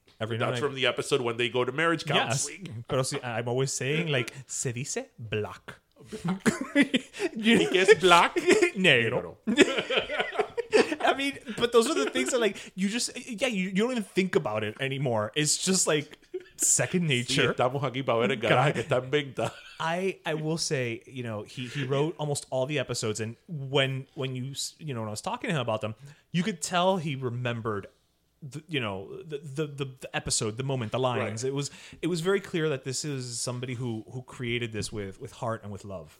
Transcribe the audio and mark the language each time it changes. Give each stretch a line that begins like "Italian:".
English: From the episode when they go to marriage counseling. Yes.
Spanish: Pero si,
English: I'm always saying like,
Spanish: se dice
English: black.
Spanish: Black. ¿Y qué es black? Negro.
English: I mean, but those are the things that, like, you just, yeah, you don't even think about it anymore. It's just, like, second nature.
Spanish: Sí, estamos aquí para ver el garaje que está en venta.
English: I will say, you know, he wrote almost all the episodes, and when you, you know, when I was talking to him about them, you could tell he remembered, the episode, the moment, the lines. Right. It was very clear that this is somebody who created this with heart and with love.